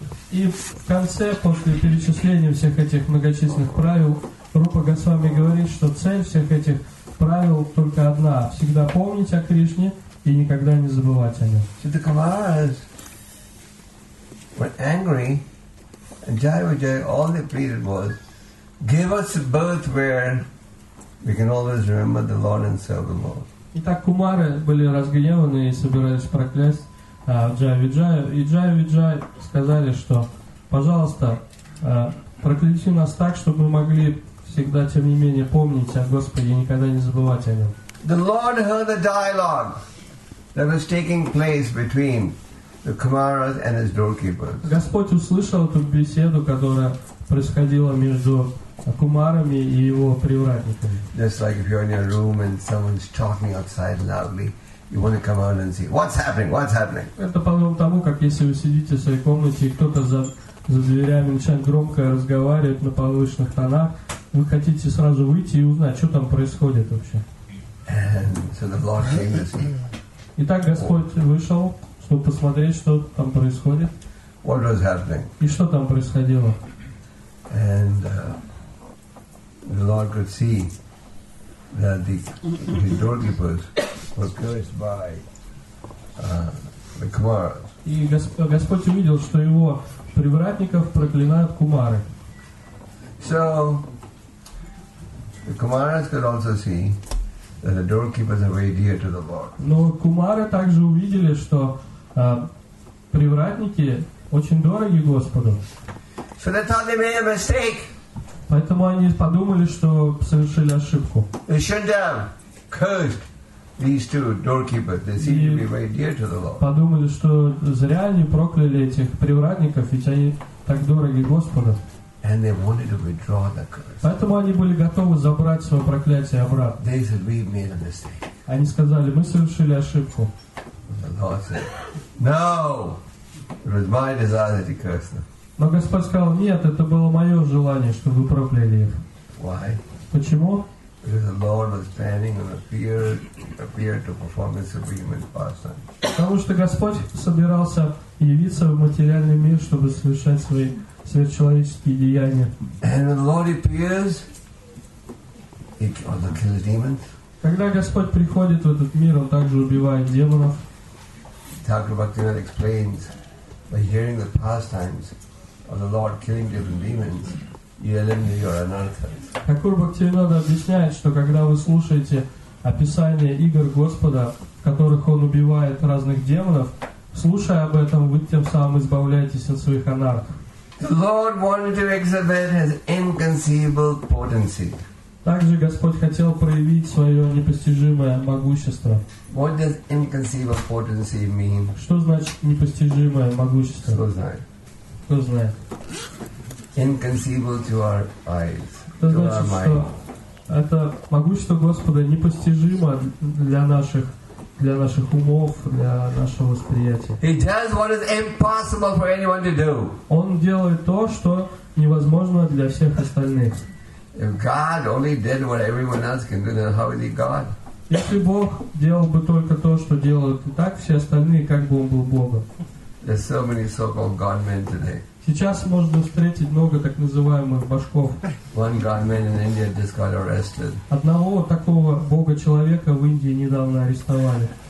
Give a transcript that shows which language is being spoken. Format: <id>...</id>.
<ru>И в конце, после перечисления всех этих многочисленных правил, Рупа Госвами говорит, что цель всех этих правил только одна – всегда помнить о Кришне и никогда не забывать о нем.</ru> <en>See, the Kumaras were angry, and Jayavijaya, all they pleaded was, give us a birth where we can always remember the Lord and serve the Lord.</en> <ru>Итак, кумары были разгневаны и собирались проклясть Джая-Виджая, и Джая-Виджая сказали, что, пожалуйста, прокляти нас так, чтобы мы могли всегда, тем не менее, помнить о Господе и никогда не забывать о Нем.</ru> <en>The Lord heard the dialogue that was taking place between the Kumaras and his doorkeepers.</en> <ru>Господь услышал эту беседу, которая происходила между Кумарами и его привратниками.</ru> <en>Just like if you're in your room and someone's talking outside loudly, you want to come out and see what's happening. What's happening?</en> <ru>Это подобно тому, как если вы сидите в своей комнате и кто-то за дверями начинает громко разговаривать на повышенных тонах, вы хотите сразу выйти и узнать, что там происходит вообще.</ru> <en>And so the Lord came to see.</en> <ru>Итак, Господь вышел, чтобы посмотреть, что там происходит.</ru> <en>What was happening?</en> <ru>И что там происходило?</ru> <en>And the Lord could see that the doorkeepers were cursed by the Kumaras.</en> <ru>И Господь увидел, что его привратников проклинают кумары.</ru> <en>So the Kumaras could also see that the doorkeepers are very dear to the Lord.</en> <ru>Но кумары также увидели, что привратники очень дороги Господу.</ru> <en>So they thought they made a mistake.</en> <ru>Поэтому они подумали, что совершили ошибку.</ru> <en>They shouldn't have cursed these two doorkeepers. They seem to be very dear to the Lord.</en> <ru>Подумали, что зря они прокляли этих привратников, ведь они так дороги Господу.</ru> <en>And they wanted to withdraw the curse.</en> <ru>Поэтому они были готовы забрать свое проклятие обратно.</ru> <en>They said, "We made a mistake."</en> <ru>Они сказали, мы совершили ошибку.</ru> <en>The Lord said, "No, it was my desire that you cursed them."</en> <ru>Но Господь сказал, нет, это было мое желание, чтобы вы прокляли их.</ru> <en>Why?</en> <ru>Почему?</ru> <en>Because the Lord was planning and appeared to perform His supreme pastime.</en> <ru>Потому что Господь собирался явиться в материальный мир, чтобы совершать свои сверхчеловеческие деяния.</ru> <en>And when the Lord appears, He also kills demons.</en> <ru>Когда Господь приходит в этот мир, Он также убивает демонов.</ru> <en>Thakur Bhaktivinoda explains by hearing the pastimes of the Lord killing different demons, you eliminate your anarthas.</en> <ru>Thakur Bhaktivinoda объясняет, что когда вы слушаете описание игр Господа, в которых Он убивает разных демонов, слушая об этом, вы тем самым избавляетесь от своих анарх.</ru> <en>The Lord wanted to exhibit His inconceivable potency.</en> <ru>Также Господь хотел проявить свое непостижимое могущество.</ru> <en>What does inconceivable potency mean?</en> <ru>Что значит непостижимое могущество? Кто знает? Кто знает?</ru> <en>Inconceivable to our eyes.</en> <ru>Это значит, что это могущество Господа непостижимо для наших умов, для нашего восприятия.</ru> <en>He does what is impossible for anyone to do.</en> <ru>Он делает то, что невозможно для всех остальных.</ru> <en>If God only did what everyone else can do, then how is He God?</en> <ru>Если Бог делал бы только то, что делают и так все остальные, как бы Он был Богом?</ru> <en>There's so many so-called God men today.</en> <ru>Сейчас можно встретить много так называемых башков.</ru> <en>One God man in India just got arrested.</en> <ru>Одного такого бога-человека в Индии недавно арестовали.</ru>